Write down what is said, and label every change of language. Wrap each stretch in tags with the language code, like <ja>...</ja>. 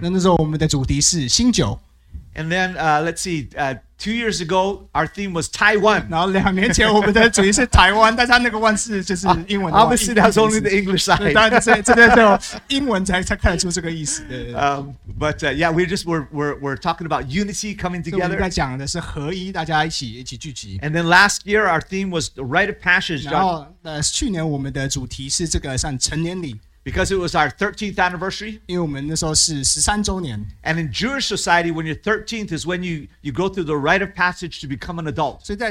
<zh>那时候我们的主题是新酒。</zh> <en>And then let's see, 2 years ago our theme was Taiwan.</en> <zh>然后2年前我们的主题是台湾， 但是那个one是就是英文的。</zh> <en>Obviously that's only the English side.</en> <zh>当然这边只有英文才看得出这个意思。</zh> <en>But we're talking about unity coming together.</en> <zh>我们在讲的是合一，大家一起聚集。</zh> <en>And then last year our theme was the rite of passage.</en> <zh>然后去年我们的主题是这个像成年礼。</zh> <en>Because it was our 13th anniversary.</en> <zh>因为我们那时候是13周年。</zh> <en>And in Jewish society, when you're 13th is when you go through the rite of passage to become an adult.</en>